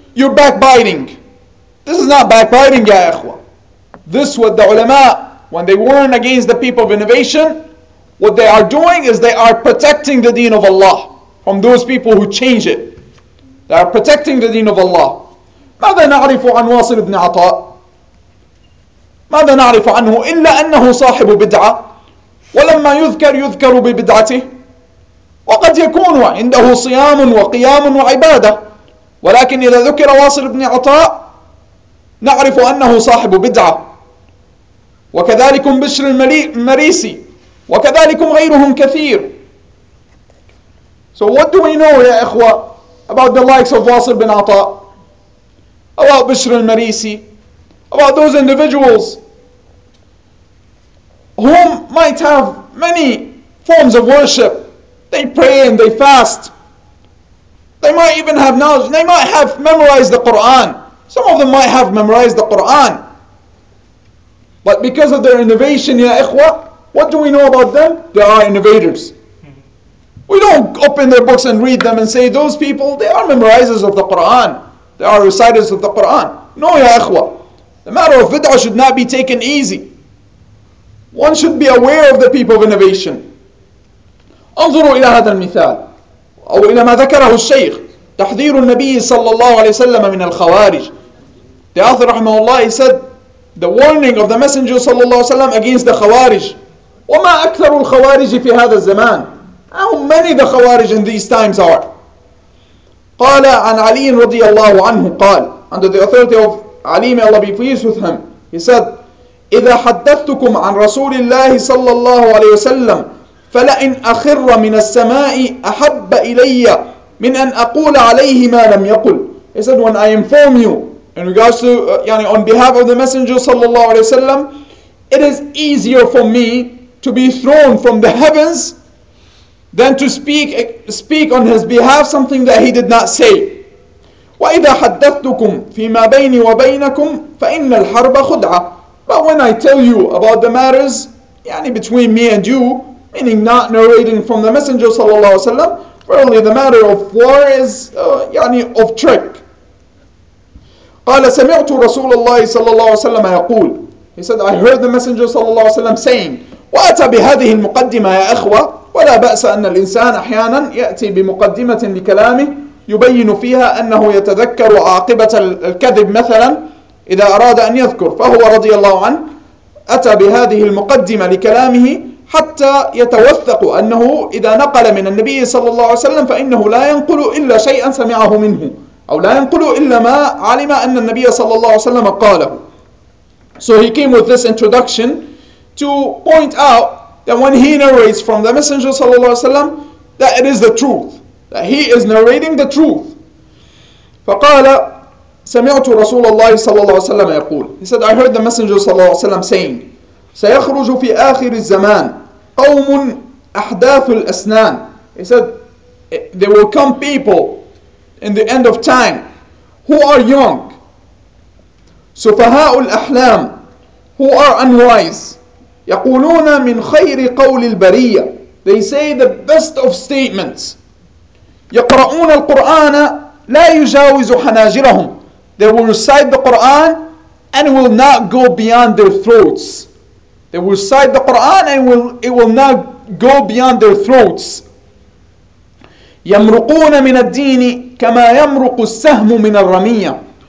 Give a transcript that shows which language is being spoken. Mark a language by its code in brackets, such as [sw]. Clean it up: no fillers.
[en] You're backbiting. This is not backbiting, ya ikhwa. This what the ulama, when they warn against the people of innovation, what they are doing is they are protecting the deen of Allah from those people who change it. They are protecting the deen of Allah. [ar] ماذا نعرف عن واصل بن عطاء؟ ماذا نعرف عنه إلا أنه صاحب بدعة ولما يذكر يذكر ببدعته وقد يكون عنده صيام وقيام وعبادة ولكن إذا ذكر واصل بن عطاء نعرف أنه صاحب بدعة وكذلك بشر المريسي وكذلك غيرهم كثير. [en] So what do we know, يا إخوة, about the likes of واصل بن عطاء, about بشر المريسي, about those individuals whom might have many forms of worship? They pray and they fast. They might even have knowledge. They might have memorized the Quran. Some of them might have memorized the Quran. But because of their innovation, ya ikhwa, what do we know about them? They are innovators. We don't open their books and read them and say, those people, they are memorizers of the Quran. They are reciters of the Quran. No, ya ikhwa. The matter of bid'ah should not be taken easy. One should be aware of the people of innovation. [ar] انظروا إلى هذا المثال أو إلى ما ذكره الشيخ تحذير النبي صلى الله عليه وسلم من الخوارج. [en] The author رحمه الله said the warning of the messenger صلى الله عليه وسلم against the خوارج. [ar] وما أكثر الخوارج في هذا الزمان. [en] How many the خوارج in these times are. [ar] قال عن علي رضي الله عنه قال, [en] under the authority of علي, may Allah be pleased with him, he said, [ar] إذا حدثتكم عن رسول الله صلى الله عليه وسلم فلئن أخر من السماء أحب إلي من أن أقول عليه ما لم يقل. [en] He said, when I inform you in regards to, يعني on behalf of the messenger صلى الله عليه وسلم, it is easier for me to be thrown from the heavens than to speak on his behalf something that he did not say. [ar] وإذا حدثتكم فيما بيني وبينكم فإن الحرب خدعة. [en] But when I tell you about the matters, يعني between me and you, meaning not narrating from the messenger صلى الله عليه وسلم, really the matter of war is يعني of trick. [ar] قال سمعت رسول الله صلى الله عليه وسلم يقول. [en] He said, I heard the messenger صلى الله عليه وسلم saying. [ar] وأتى بهذه المقدمة يا أخوة, ولا بأس أن الإنسان أحيانا يأتي بمقدمة لكلامه يبين فيها أنه يتذكر عاقبة الكذب مثلا إذا أراد أن يذكر. فهو رضي الله عنه أتى بهذه المقدمة لكلامه حتى يتوثق أنه إذا نقل من النبي صلى الله عليه وسلم فإنه لا ينقل إلا شيئا سمعه منه أو لا ينقل إلا ما علم أن النبي صلى الله عليه وسلم قاله. [en] So he came with this introduction to point out that when he narrates from the Messenger صلى الله عليه وسلم, that it is the truth, that he is narrating the truth. [ar] فقال سمعت رسول الله صلى الله عليه وسلم يقول. [en] He said, I heard the Messenger [ar] صلى الله عليه وسلم saying, سيخرج في آخر الزمان قوم أحداث الأسنان. [en] He said, there will come people in the end of time who are young. [ar] سفهاء الأحلام, [en] who are unwise. [ar] يقولون من خير قول البرية. [en] They say the best of statements. [ar] يقرؤون القرآن لا يجاوز حناجرهم. [en] They will recite the Quran and will not go beyond their throats. They will recite the Quran and it will not go beyond their throats. [ar] يمرقون من الدين كما يمرق السهم من الرمية.